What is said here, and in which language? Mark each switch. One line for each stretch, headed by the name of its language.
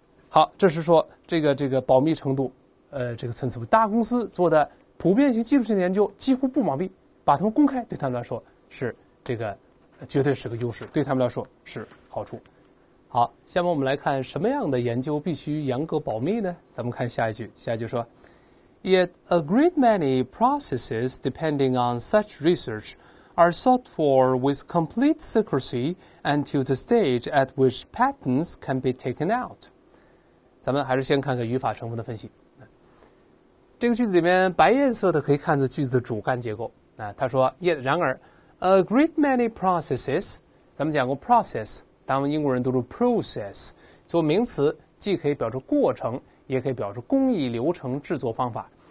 Chinese: 好，这是说这个保密程度，这个层次。大公司做的普遍性、技术性的研究几乎不保密，把他们公开，对他们来说是这个绝对是个优势，对他们来说是好处。好，下面我们来看什么样的研究必须严格保密呢？咱们看下一句，下一句说
English: ：Yet a great many processes depending on such research are sought for with complete secrecy until the stage at which patents can be taken out。
Chinese: 咱们还是先看看语法成分的分析。这个句子里面白颜色的可以看作句子的主干结构。他说 ：Yet 然而 ，
English: a great many processes，
Chinese: 咱们讲过 process。当英国人读出 process， 做名词既可以表示过程，也可以表示工艺、流程、制作方法。